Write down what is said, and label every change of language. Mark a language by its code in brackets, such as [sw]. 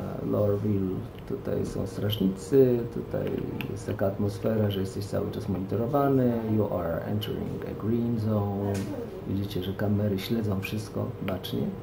[pl] Lorville, tutaj są strażnicy, tutaj jest taka atmosfera, że jesteś cały czas monitorowany. [en] You are entering a green zone. [pl] Widzicie, że kamery śledzą wszystko bacznie.